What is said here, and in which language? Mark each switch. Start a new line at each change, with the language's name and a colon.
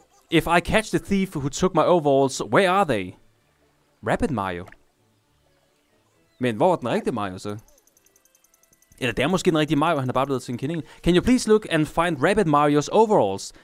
English: If I catch the thief who took my overalls, where are they? Rabbit Mario.
Danish: Men hvor er den rigtige Mario så? Eller det er måske en rigtig Mario, han er bare blevet til en kanin.
English: Can you please look and find Rabbit Mario's overalls?